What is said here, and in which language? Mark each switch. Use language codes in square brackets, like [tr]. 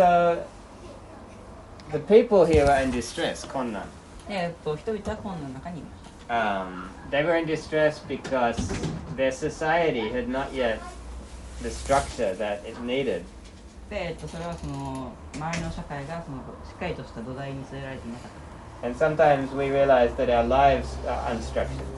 [en] And so, the people here are in distress, 困難。 [ja] 人々は困難の中にいます。 [en] They were in distress because their society had not yet the structure that it needed. And sometimes we realize that our lives are unstructured.